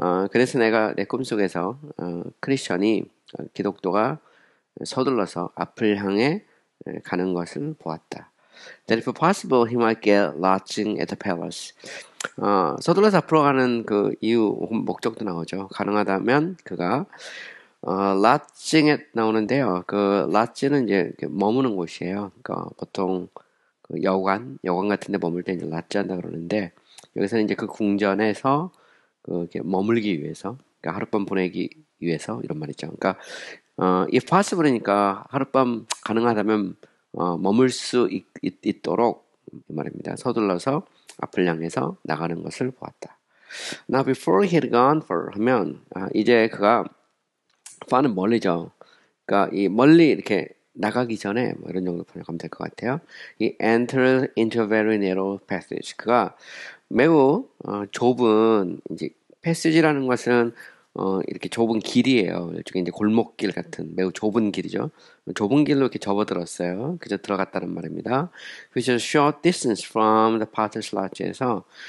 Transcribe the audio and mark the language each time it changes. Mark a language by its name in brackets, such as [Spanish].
[Korean] 그래서 내가 내 꿈속에서 크리스천이 기독도가 서둘러서 앞을 향해 가는 것을 보았다. [English] That if possible, he might get lodging at the palace. [Korean] 서둘러서 앞으로 가는 그 이유, 목적도 나오죠. 가능하다면 그가 lodging에 나오는데요. 그 lodging은 이제 머무는 곳이에요. 그러니까 보통 그 여관 같은 데 머물 때 이제 lodge 한다 그러는데, 여기서는 이제 그 궁전에서 그 이렇게 머물기 위해서, 그러니까 하룻밤 보내기 위해서 이런 말이죠. 그러니까 [English] if possible [Korean] 이니까 하룻밤 가능하다면 머물 수 있도록 이 말입니다. 서둘러서 앞을 향해서 나가는 것을 보았다. [English] Now before he had gone far [Korean] 하면 이제 그가 far는 멀리죠. 그러니까 이 멀리 이렇게 나가기 전에 뭐 이런 정도 번역하면 될 것 같아요. [English] He entered into a very narrow passage. [Korean] 그가 매우 좁은 이제 패시지라는 것은 이렇게 좁은 길이에요. 이쪽에 이제 골목길 같은 매우 좁은 길이죠. 좁은 길로 이렇게 접어들었어요. 그저 들어갔다는 말입니다. [English] Which is a short distance from the Potter's Lodge [Korean] 에서.